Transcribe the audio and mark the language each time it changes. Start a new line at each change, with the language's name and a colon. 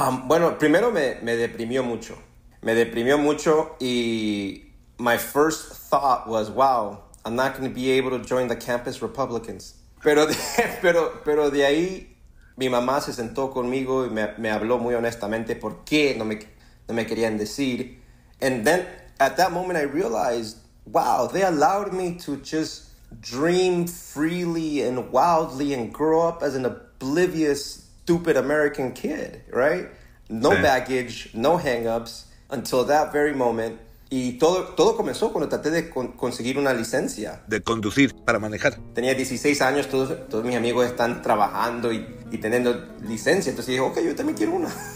Spanish: Bueno, primero me deprimió mucho. Me deprimió mucho y
English: my first thought was, wow, I'm not going to be able to join the campus Republicans.
Spanish: Pero de ahí, mi mamá se sentó conmigo y me habló muy honestamente por qué no me querían decir.
English: And then, at that moment, I realized, wow, they allowed me to just dream freely and wildly and grow up as an oblivious, stupid American kid, right? No baggage, no hang-ups, until that very moment.
Spanish: Y todo comenzó cuando traté de conseguir una licencia. De conducir, para manejar. Tenía 16 años, todos mis amigos están trabajando y teniendo licencia. Entonces dije, ok, yo también quiero una.